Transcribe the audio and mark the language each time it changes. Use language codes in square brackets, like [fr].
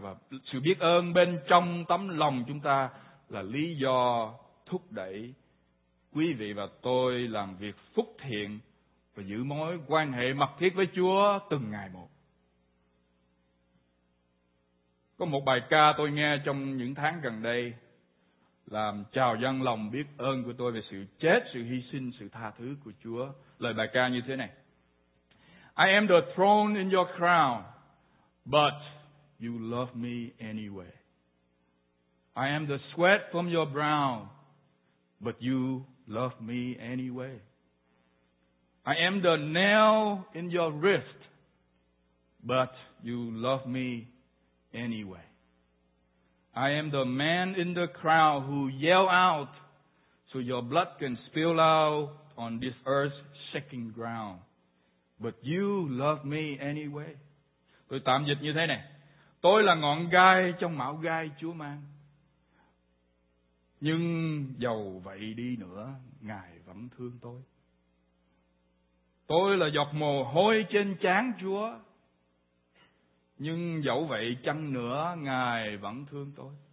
[vi] Và sự biết ơn bên trong tấm lòng chúng ta là lý do thúc đẩy quý vị và tôi làm việc phúc thiện và giữ mối quan hệ mật thiết với Chúa từng ngày một. Có một bài ca tôi nghe trong những tháng gần đây làm trào dâng lòng biết ơn của tôi về sự chết, sự hy sinh, sự tha thứ của Chúa. Lời bài ca như thế này. [en] I am the throne in your crown, but you love me anyway. I am the sweat from your brow, but you love me anyway. I am the nail in your wrist, but you love me anyway. I am the man in the crowd who yell out so your blood can spill out on this earth's shaking ground. But you love me anyway. [vi] Tôi tạm dịch như thế này. Tôi là ngọn gai trong mão gai Chúa mang. Nhưng dầu vậy đi nữa, Ngài vẫn thương tôi. Tôi là giọt mồ hôi trên trán Chúa. Nhưng dẫu vậy chăng nữa, Ngài vẫn thương tôi.